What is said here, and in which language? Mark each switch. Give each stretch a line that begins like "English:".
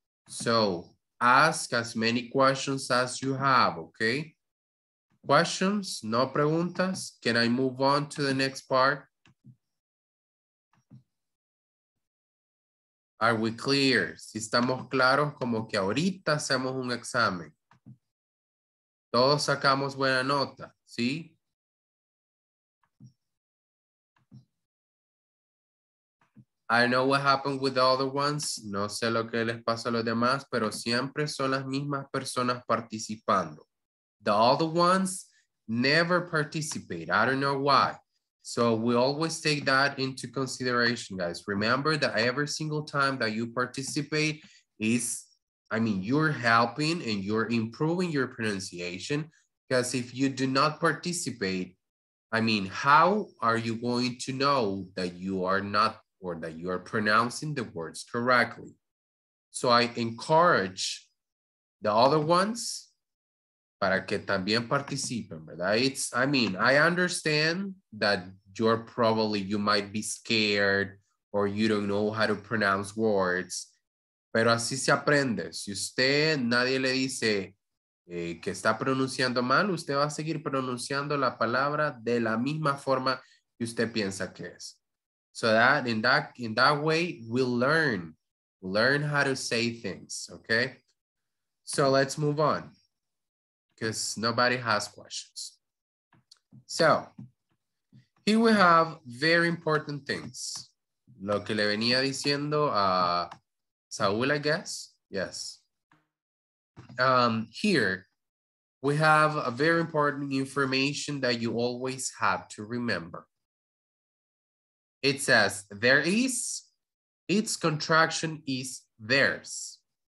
English: So ask as many questions as you have, okay? Questions,
Spanish: no preguntas.
English: Can I move on to the next part? Are we clear?
Spanish: Si estamos claros, como que ahorita hacemos un examen. Todos sacamos buena nota, ¿sí?
English: I know what happened with the other ones.
Spanish: No sé lo que les pasa a los demás, pero siempre son las mismas personas participando.
English: The other ones never participate. I don't know why. So we always take that into consideration, guys. Remember that every single time that you participate is, I mean, you're helping and you're improving your pronunciation, because if you do not participate, I mean, how are you going to know that you are not, or that you are pronouncing the words correctly? So I encourage the other ones
Spanish: para que también participen, ¿verdad?
English: It's, I mean, I understand that you're probably, you might be scared or you don't know how to pronounce words.
Spanish: Pero así se aprende. Si usted, nadie le dice que está pronunciando mal, usted va a seguir pronunciando la palabra de la misma forma que usted piensa que es.
English: So that, in that way, we'll learn how to say things, okay? So let's move on, because nobody has questions. So, here we have very important things.
Spanish: Lo que le venía diciendo a Saúl,
English: I guess. Yes. Here, we have a very important information that you always have to remember. It says, there is, its contraction is theirs.